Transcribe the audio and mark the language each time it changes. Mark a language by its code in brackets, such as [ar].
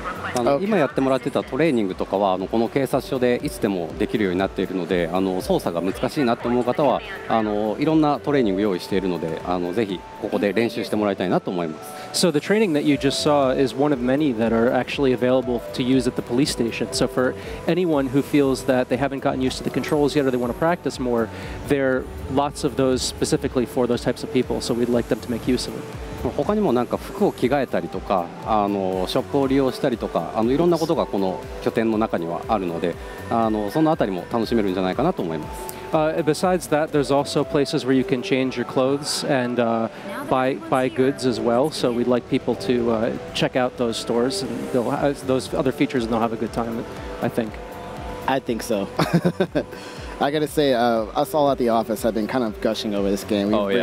[en] So the training that you just saw is one of many that are actually available to use at the police station. So for anyone who feels that they haven't gotten used to the controls yet or they want to practice more, there are lots of those specifically for those types of people, so we'd like them to make use of it. [ja] 他にもなんか服を着替えたりとか、あのショップを利用したりとか、あのいろんなことがこの拠点の中にはあるので、あのそのあたりも楽しめるんじゃないかなと思います。 [en] Besides that, there's also places where you can change your clothes and buy goods as well. So we'd like people to check out those stores and those other features, and they'll have a good time, I think. I think so. I gotta say, us all at the office have been kind of gushing over this game.